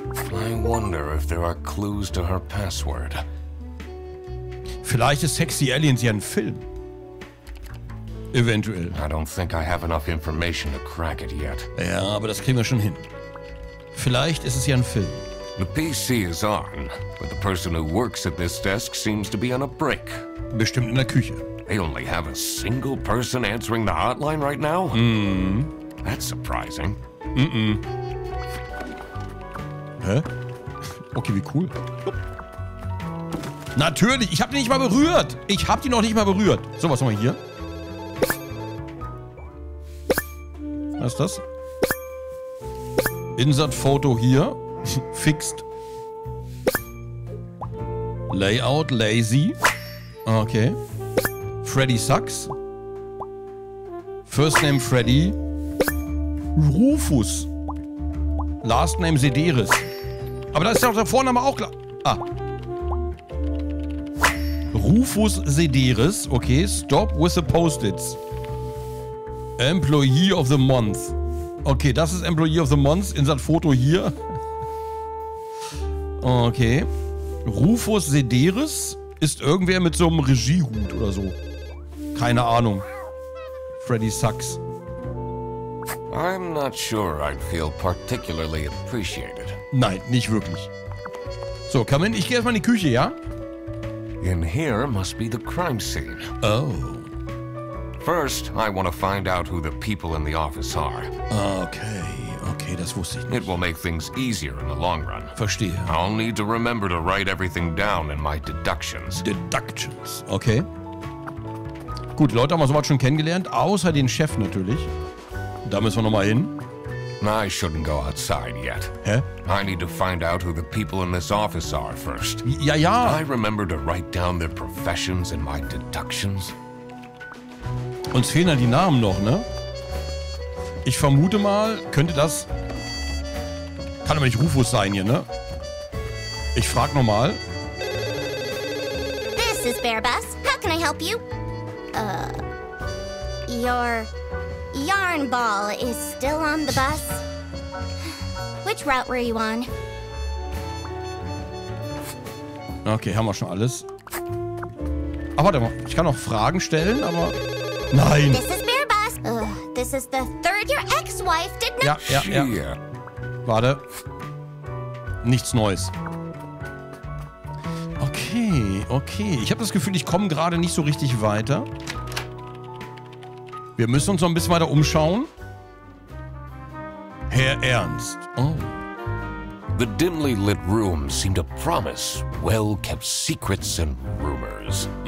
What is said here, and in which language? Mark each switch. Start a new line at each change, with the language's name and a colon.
English: I wonder if there are clues to her password.
German: Vielleicht ist Sexy Aliens ja ein Film. Eventuell.
English: I don't think I have enough information to crack it yet.
German: Ja, aber das kriegen wir schon hin. Vielleicht ist es ja ein Film.
English: The PC is on, but the person who works at this desk seems to be on a break.
German: Bestimmt in der Küche.
English: They only have a single person answering the hotline right now? Mm. That's surprising. Mm-mm.
German: Hä? Okay, wie cool. Natürlich, ich hab die nicht mal berührt. Ich hab die noch nicht mal berührt. So, was haben wir hier? Was ist das? Insert-Foto hier. Fixed.
English: Layout, lazy. Okay. Freddy sucks. First name Freddy. Rufus. Last name Sederis.
German: Aber da ist ja auch der Vorname auch klar. Ah.
English: Rufus Sederis. Okay, stop with the Post-its. Employee of the Month.
German: Okay, das ist Employee of the Month. Insert Foto hier. Okay. Rufus Sederis ist irgendwer mit so einem Regiehut oder so. Keine Ahnung.
English: Freddy sucks. I'm not sure I'd feel particularly appreciated.
German: Nein, nicht wirklich. So, komm in. Ich gehe erstmal in die Küche, ja?
English: In here must be the crime scene. Oh. First, I want to find out who the people in the office are.
German: Okay, das wusste ich nicht.
English: It will make things easier in the long run.
German: Verstehe.
English: I'll need to remember to write everything down in my deductions. Deductions, okay.
German: Gut, Leute haben wir sowas schon kennengelernt, außer den Chef natürlich. Da müssen wir nochmal hin.
English: I shouldn't go outside yet. Hä? I need to find out who the people in this office are first.
German: Ja.
English: I remember to write down their professions in my deductions.
German: Uns fehlen ja die Namen noch, ne? Ich vermute mal, könnte das... Kann aber nicht Rufus sein hier, ne? Ich frag nochmal.
English: This Mrs. Bearbus. How can I help you? Your yarn ball is still on the bus. Which route were you on?
German: Okay, haben wir schon alles. Aber warte mal, ich kann noch Fragen stellen, aber... Nein!
English: This is Bearbus. This is the third your ex-wife did not...
German: Ja. Warte. Nichts Neues. Okay. Ich habe das Gefühl, ich komme gerade nicht so richtig weiter. Wir müssen uns noch ein bisschen weiter umschauen. Herr Ernst. Oh.
English: The dimly lit room seemed to promise well-kept secrets and rumors.